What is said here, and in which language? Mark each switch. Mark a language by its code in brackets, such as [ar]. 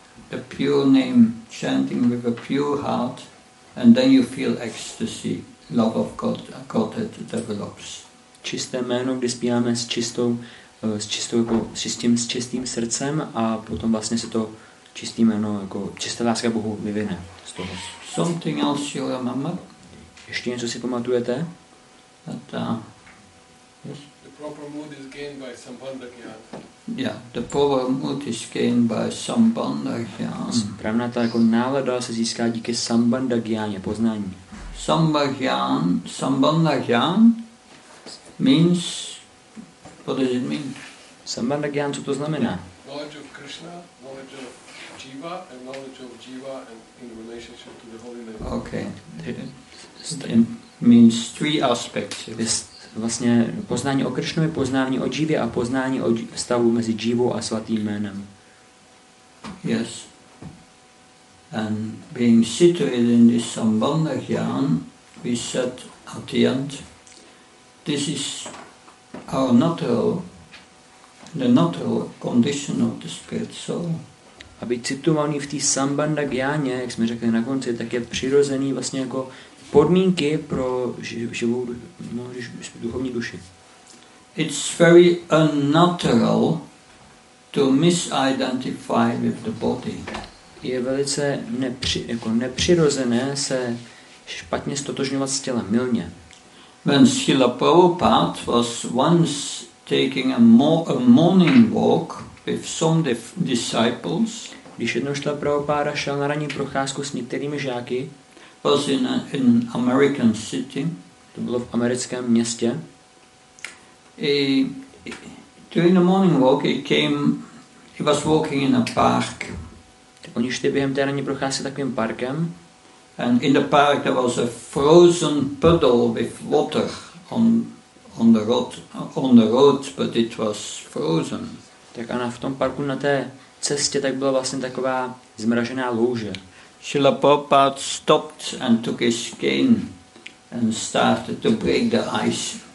[en] The pure name, chanting with a pure heart, and then you feel ecstasy, love of God, Godhead develops. [cs] Čisté jméno, kdy zpíváme s čistým srdcem a potom vlastně se to čistý jméno, jako čistá láska Bohu vyvine z toho. [en] Something else you remember? [cs] Ještě něco si pamatujete? [en] The proper mood is gained by sambandha jnana. Yeah, the proper mood is gained by sambandha jnana. [cs] Správná ta jako nálada se získá díky sambandha jnana, poznání. [en] Sambandha jnana means, what does it mean? [cs] Sambandha jnana, co to znamená? [en] Knowledge of Krishna, knowledge of jiva, and knowledge of jiva in relationship to the Holy Name. Okay. It means three aspects. [cs] Vlastně poznání o Krišnovi, poznání o jivě a poznání o stavu mezi jivou a svatým jménem. [en] Yes. And being situated in this sambandha jnana, we said at the end, this is our natural, the natural condition of the spirit soul. [cs] A být situovaný v té sambandha jnáně, jak jsme řekli na konci, tak je přirozený vlastně jako podmínky pro živou duchovní duši. [en] It's very unnatural to misidentify with the body. [cs] Je velice nepřirozené se špatně stotožňovat s tělem, mylně. [en] When Srila Prabhupada was once taking a morning walk with some disciples, [cs] když jednou Srila Prabhupada šel na ranní procházku s některými žáky, [en] was in American city. [cs] To bylo v americkém městě. [en] During the morning walk, he was walking in a park. [cs] Oni šli během té ranní procházky takovým parkem. [en] And in the park there was a frozen puddle with water on the road, but it was frozen. [cs] Tak a v tom parku na té cestě tak byla vlastně taková zmražená louže. [en] Srila Prabhupada stopped and took his cane and started to break the ice.